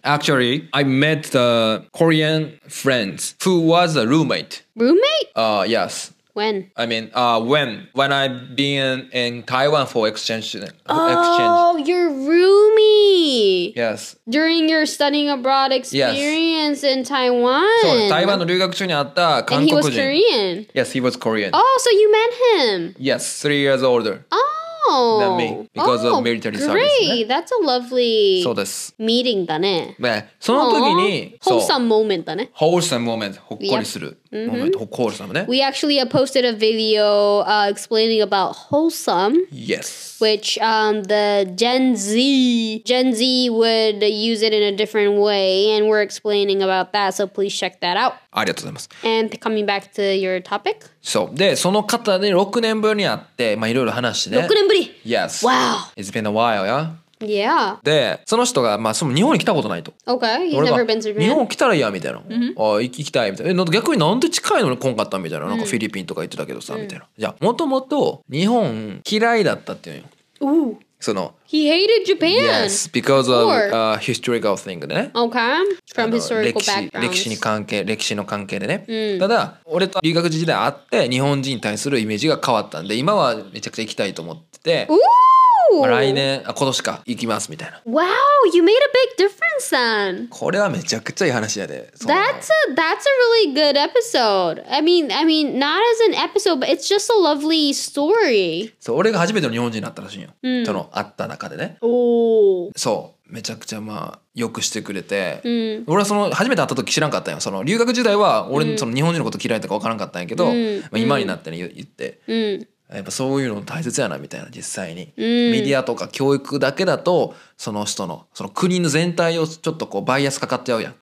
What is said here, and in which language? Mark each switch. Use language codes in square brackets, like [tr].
[en] Actually, I met the Korean friends who was a roommate. Roommate? Yes. When? I mean, when I've been in Taiwan for exchange. Oh, your roomie! Yes. During your studying abroad experience yes. in Taiwan. [ja] そう、台湾の留学中に会った韓国人。 [en] And he was Korean? Yes, he was Korean. Oh, so you met him? Yes, 3 years older. Oh! Than me, because of military service. Great, that's a lovely meeting, [ja] だね。で、その時に、 [en] wholesome moment, [ja] だね。 [en] Wholesome moment, [ja] ほっこりする [en] moment, [ja] ほっこりするね。 [en] We actually posted a video explaining about wholesome. Yes. Which the Gen Z would use it in a different way, and we're explaining about that. So please check that out. [ja] ありがとうございます。 [en] And coming back to your topic. [ja] そう。で、その方に6年ぶりに会って、まあいろいろ話してね。 6年ぶり。 [en] Yes. Wow. It's been a while, yeah. Yeah. [ja] で、その人がまあその日本に来たことないと。 [en] Okay. He's never been to Japan. [ja] 日本来たらいいやみたいな。 Mm-hmm. あ、行きたいみたいな。え、逆になんで近いのに来んかったみたいな。なんかフィリピンとか行ってたけどさ、mm-hmm. みたいな。じゃあ、もともと日本嫌いだったっていうのよ。 Ooh. その。 [en] He hated Japan. Yes, because of a historical thing, [ja] ね。 [en] Okay. From historical background. [ja] 歴史に関係、歴史の関係でね。ただ、俺と留学時代会って、日本人に対するイメージが変わったんで、今はめちゃくちゃ行きたいと思ってて。 Ooh! まあ、来年、あ、今年か、行きますみたいな。 [en] Wow, you made a big difference then. [ja] これはめちゃくちゃいい話やで。 [en] That's a really good episode. I mean, not as an episode, but it's just a lovely story. [ja] そう、俺が初めての日本人になったらしいよ、うん、との会った中でね。そう、めちゃくちゃまあよくしてくれて、うん、俺はその初めて会った時知らんかったよ。その留学時代は俺その日本人のこと嫌いとかわからんかったんやけど、うん、まあ、今になってね言って、うん、やっぱそういうの大切やなみたいな。実際にメディアとか教育だけだとその人のその国の全体をちょっとこうバイアスかかっちゃうやん、